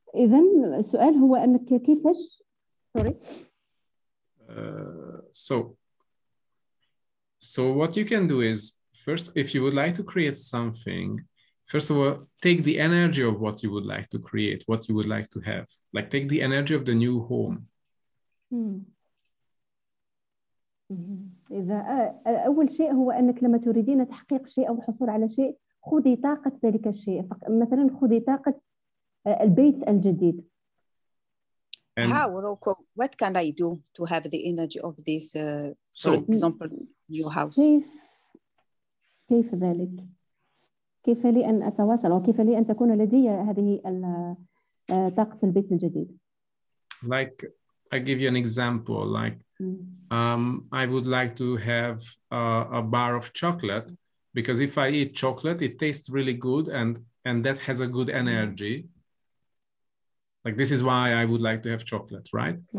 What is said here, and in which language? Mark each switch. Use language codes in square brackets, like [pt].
[ar] إذن السؤال هو أنك كيفش [en] sorry. So what you can do is first, if you would like to create something, first of all, take the energy of what you would like to create, what you would like to have. Like take the energy of the new home. [ar] إذا أول شيء هو أنك لما تريدين تحقيق شيء أو الحصول على شيء خذي طاقة ذلك الشيء. مثلا خذي طاقة البيت الجديد. [en] And how, Roko, what can I do to have the energy of this, for example, new house? [ar] كيف ذلك؟ كيف لي أن أتواصل وكيف لي أن تكون لدي هذه طاقة البيت الجديد؟ [en] Like, I give you an example. Like, I would like to have a bar of chocolate because if I eat chocolate, it tastes really good and that has a good energy. Like this is why I would like to have chocolate, right?